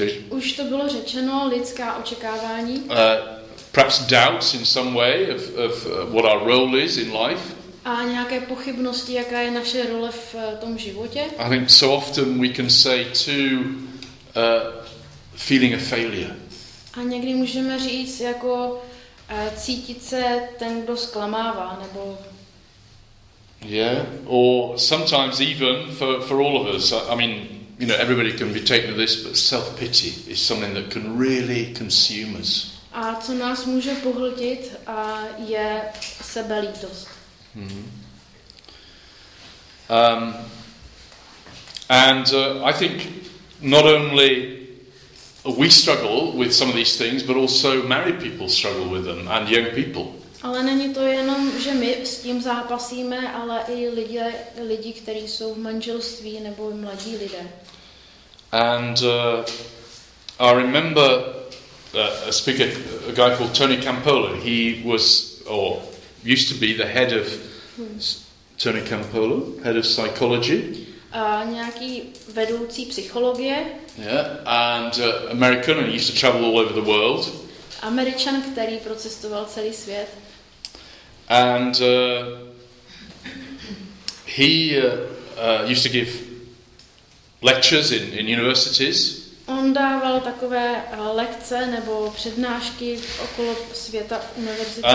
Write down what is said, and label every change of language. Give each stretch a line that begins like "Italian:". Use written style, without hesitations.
Czech: Už to bylo řečeno, lidská očekávání.
English: perhaps doubts in some way of what our role is in life.
Czech: A nějaké pochybnosti, jaká je naše role v tom životě.
English: I think so often we can say too feeling a failure.
Czech: A někdy můžeme říct jako cítit se ten, kdo zklamává, nebo
English: yeah, or sometimes even for all of us, I mean, you know, everybody can be taken to this, but self-pity is something that can really consume us.
Czech: A co nás může pohltit, a je sebelítost. Mm-hmm.
English: I think not only we struggle with some of these things, but also married people struggle with them, and young people.
Czech: Ale není to jenom, že my s tím zápasíme, ale i lidi, kteří jsou v manželství nebo mladí lidé.
English: And I remember a speaker, a guy called Tony Campolo. He was, or used to be, the head of Tony Campolo, head of psychology.
Czech: Nějaký vedoucí psychologie.
English: Yeah, and American, and he used to travel all over the world.
Czech: Američan, který procestoval celý svět.
English: And he used to give lectures in universities.
Czech: On dával takové lekce nebo přednášky okolo světa v univerzitách.